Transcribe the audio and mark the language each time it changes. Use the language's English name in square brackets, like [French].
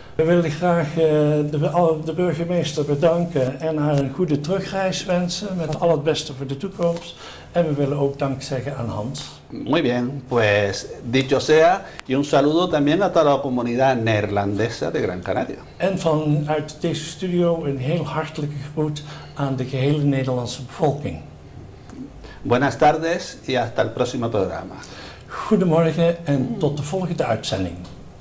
[Dutch] We willen graag de burgemeester bedanken en haar een goede terugreis wensen met al het beste voor de toekomst. En we willen ook dank zeggen aan Hans. [Spanish] Muy bien, pues dicho sea, y un saludo también a toda la comunidad neerlandesa de Gran Canaria. [Dutch] En vanuit deze studio een heel hartelijke groet aan de gehele Nederlandse bevolking. [Spanish] Buenas tardes y hasta el próximo programa. [Dutch] Goedemorgen en tot de volgende uitzending.